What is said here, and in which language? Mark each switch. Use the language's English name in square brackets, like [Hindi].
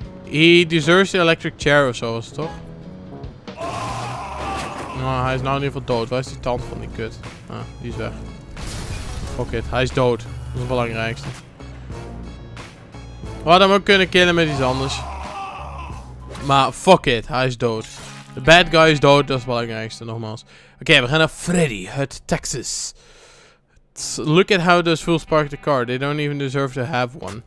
[English] He deserves the electric chair [Dutch] of zo was het toch? Oh, hij is nou in ieder geval dood. Waar is die tand van die kut? Ah, die is weg. Fuck it, hij is dood. Dat is het belangrijkste. We hadden hem ook kunnen killen met iets anders. Maar fuck it, hij is dood. De bad guy is dood, dat is het belangrijkste nogmaals. Oké, we gaan naar Freddy uit Texas. [English] Look at how those fools park the car. They don't even deserve to have one.